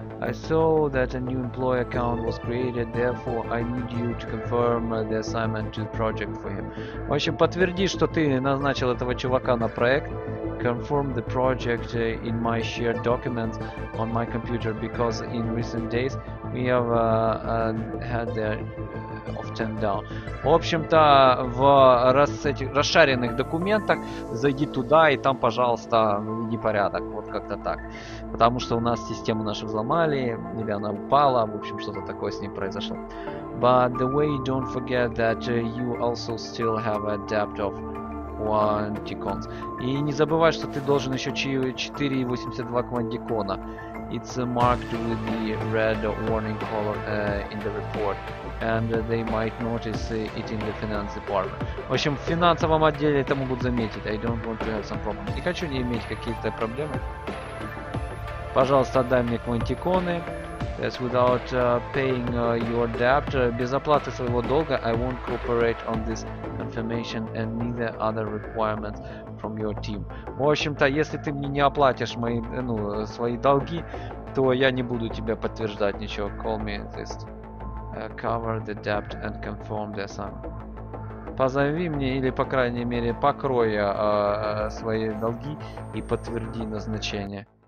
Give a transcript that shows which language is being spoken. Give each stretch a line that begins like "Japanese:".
English: I saw that a new employee account was created, therefore I need you to confirm the assignment to the project for him.
Russian: В общем, подтверди, что ты назначил этого чувака на проект.
English: Confirm the project in my shared documents on my computer, because in recent days we have had the often down.
Russian: В общем-то, в расшаренных документах зайди туда и там, пожалуйста, введи порядок. Вот как-то так. Потому что у нас систему нашу взломали, или она упала, в общем, что-то такое с ней произошло.
English: But the way, don't forget that you also still have a debt of quanticons.
Russian: И не забывай, что ты должен еще 4,82 квантикона.
English: It's marked with the red warning color in the report, and they might notice it in the finance department.
Russian: В общем, в финансовом отделе это могут заметить.
English: I don't want to have some problems.
Russian: Не хочу не иметь какие-то проблемы. Пожалуйста, дай мне квантиконы.
English: That's without paying your debt.
Russian: Без оплаты своего долга.
English: I won't cooperate on this information and neither other requirements from your team.
Russian: В общем-то, если ты мне не оплатишь мои, ну, свои долги, то я не буду тебя подтверждать ничего.
English: Call me this. Cover the debt and confirm the sum.
Russian: Позови мне, или по крайней мере покрой свои долги и подтверди назначение.